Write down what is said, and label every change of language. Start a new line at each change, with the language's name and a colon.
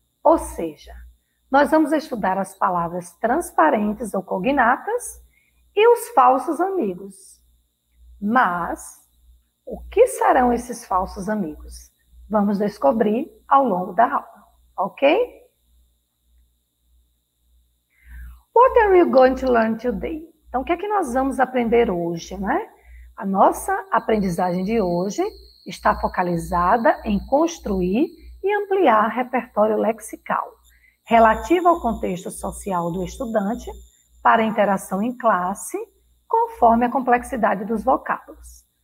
Portuguese: Ou seja, nós vamos estudar as palavras transparentes ou cognatas e os falsos amigos. Mas o que serão esses falsos amigos? Vamos descobrir ao longo da aula, ok?
English: What are you going to learn today?
Portuguese: Então, o que é que nós vamos aprender hoje, né? A nossa aprendizagem de hoje está focalizada em construir e ampliar repertório lexical relativo ao contexto social do estudante para a interação em classe, conforme a complexidade dos vocábulos.